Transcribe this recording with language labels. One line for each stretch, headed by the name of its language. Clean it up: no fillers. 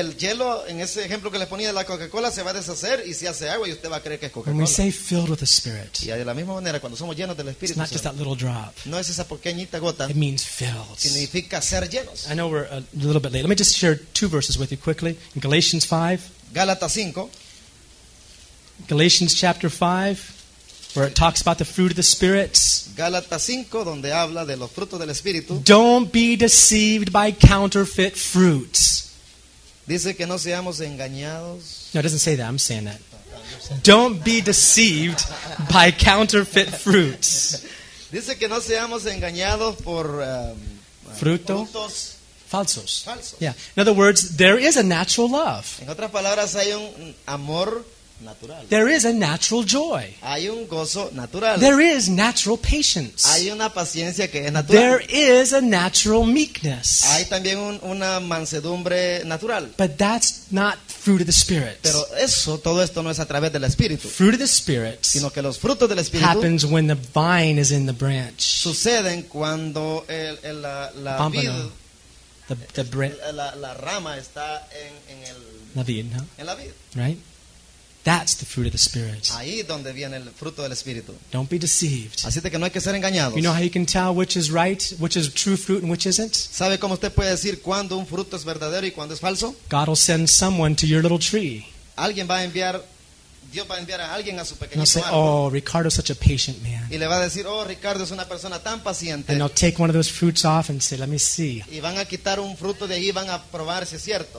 Spanish: El hielo, en ese ejemplo que le ponía de la Coca-Cola, se va a deshacer y se hace agua y usted va a creer que es Coca-Cola.
English: When we say filled with the Spirit,
Spanish: y de la misma manera, cuando somos llenos del Espíritu
English: Santo, it's not just that little drop.
Spanish: No es esa pequeñita gota.
English: It means filled.
Spanish: Significa ser llenos.
English: I know we're a little bit late. Let me just share two verses with you quickly. In Galatians 5,
Spanish: Gálatas 5.
English: Galatians chapter 5, where it talks about the fruit of the Spirit.
Spanish: Gálatas 5, donde habla de los frutos del Espíritu.
English: Don't be deceived by counterfeit fruits.
Spanish: Dice que no seamos engañados.
English: No, it doesn't say that. I'm saying that. Don't be deceived by counterfeit fruits.
Spanish: Dice que no seamos engañados por frutos. Falsos. Yeah.
English: In other words, there is a natural love.
Spanish: En otras palabras, hay un amor natural.
English: There is a natural joy.
Spanish: Hay un gozo natural.
English: There is natural patience.
Spanish: Hay una paciencia que es natural.
English: There is a natural meekness.
Spanish: Hay también una mansedumbre natural.
English: But that's not fruit of the Spirit.
Spanish: Pero eso, todo esto no es a través del Espíritu.
English: Fruit of the Spirit,
Spanish: sino que los frutos del Espíritu,
English: happens when the vine is in the branch.
Spanish: Suceden cuando la vid. La rama está en el la vid, ¿no? En la vid.
English: Right? That's the fruit of the Spirit.
Spanish: Ahí donde viene el fruto del Espíritu.
English: Don't be deceived.
Spanish: Así que no hay que ser engañados.
English: You know how you can tell which is right, which is true fruit, and which isn't?
Spanish: ¿Sabe cómo usted puede decir cuándo un fruto es verdadero y cuándo es falso?
English: God will send someone to your little tree.
Spanish: Alguien va a enviar Dios va a enviar a alguien a su pequeño barco.
English: And he'll say, "Oh, Ricardo's such a patient man."
Spanish: Y le va a decir, "Oh, Ricardo es una persona tan paciente."
English: And they'll take one of those fruits off and say, "Let me see."
Spanish: Y van a quitar un fruto de ahí, van a probar si es cierto.